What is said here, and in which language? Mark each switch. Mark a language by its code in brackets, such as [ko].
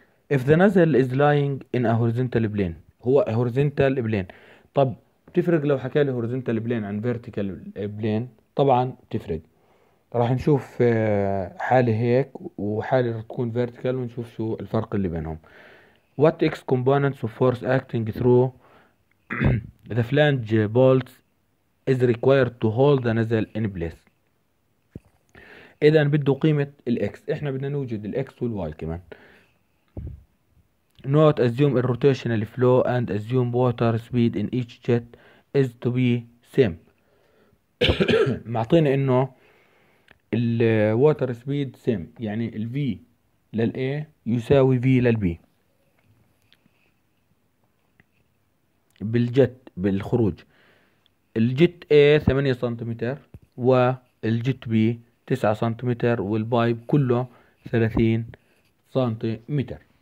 [en] If the nozzle is lying in a horizontal plane، هو horizontal plane. [ar] طب بتفرق لو حكى لي horizontal plane عن vertical plane؟ طبعا بتفرق. راح نشوف حالة هيك وحالة تكون vertical ونشوف شو الفرق اللي بينهم. [en] What x components of force acting through the flange bolts is required to hold the nozzle in place؟ [ar] اذا بده قيمة الاكس، احنا بدنا نوجد الاكس والواي كمان. [en] Note assume a rotational flow and assume water speed in each jet is to be same. [ar] معطينا انه الووتر سبيد سيم، يعني الفي للاي يساوي في للبي بالجت بالخروج. الجت اي 8 سنتيمتر والجت بي 9 سنتيمتر والبايب كله 30 سنتيمتر.